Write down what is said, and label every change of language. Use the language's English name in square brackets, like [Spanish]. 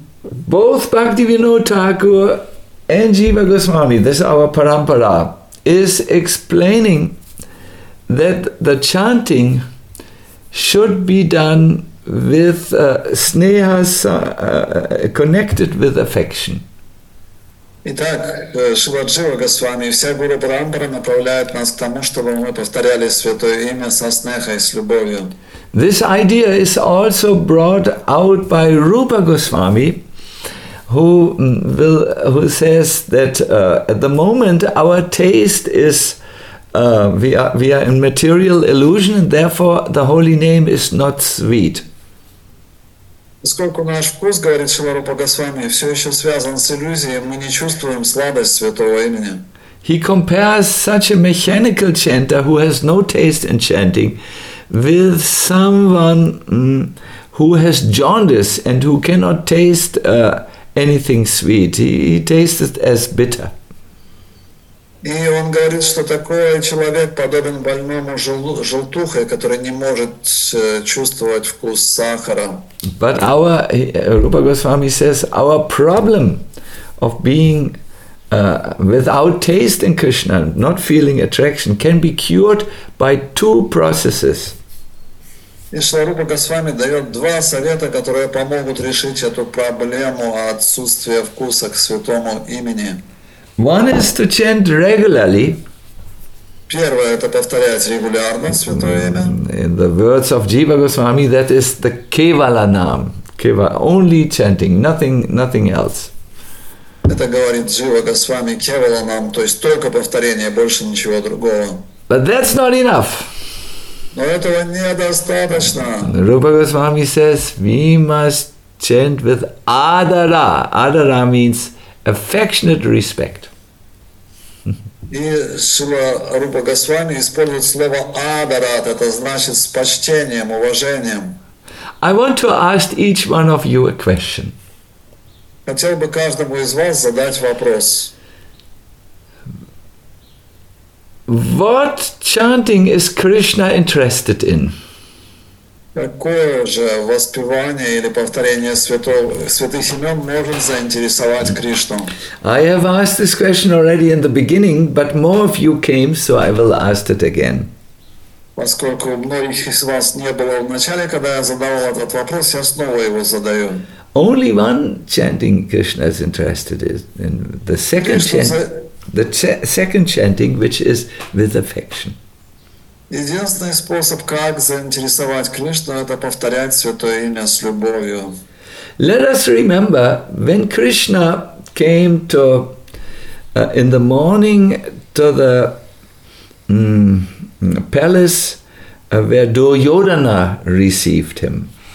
[English] Both Bhaktivinoda Thakur and Jiva Goswami, this our parampara, is explaining that the chanting should be done with sneha, connected with affection. [Russian] Итак, Шрила Джива Госвами и вся Гуру Парампара направляют нас к тому, чтобы мы повторяли святое имя со снехой, с любовью. [English] This idea is also brought out by Rupa Goswami, who says that at the moment our taste is we are in material illusion, and therefore the holy name is not sweet. [Russian] Поскольку наш вкус, говорит Шрила Рупа Госвами, все еще связан с иллюзией, мы не чувствуем сладость святого имени. [English] He compares such a mechanical chanter who has no taste in chanting with someone who has jaundice and who cannot taste anything sweet. He tastes it as bitter. [Russian] И он говорит, что такой человек подобен больному желтухе, который не может чувствовать вкус сахара. [English] But our, Rupa Goswami says, our problem of being without taste in Krishna, not feeling attraction, can be cured by two processes. [Russian] И Шрила Рупа Госвами дает два совета, которые помогут решить эту проблему отсутствия вкуса к святому имени. [English] One is to chant regularly. [Russian] Первое – это повторять регулярно святое имя. [English] In the words of Jiva Goswami, that is the kevala nam. Keva, only chanting, nothing else. [Russian] Это говорит Джива Госвами Кевала нам, то есть только повторение, больше ничего другого. [English] But that's not enough. [Russian] Но этого недостаточно. [English] Rupa Goswami says, we must chant with adara. Adara means affectionate respect. [Russian] И Шрила Рупа Госвами использует слово адара, это значит с почтением, уважением. [English] I want to ask each one of you a question. [Russian] Хотел бы каждому из вас задать вопрос. [English] What chanting is Krishna interested in? [Russian] Какое же воспевание или повторение святых имен может заинтересовать Кришну? [English] I have asked this question already in the beginning, but more of you came, so I will ask it again. [Russian] Поскольку многих из вас не было в начале, когда я задавал этот вопрос, я снова его задаю. [English] Only one chanting Krishna is interested in. The second second chanting, which is with affection. [Russian] Единственный способ, как заинтересовать Кришну, это повторять святое имя с любовью. [English] Let us remember, when Krishna came to in the morning to the palace where Duryodhana received him.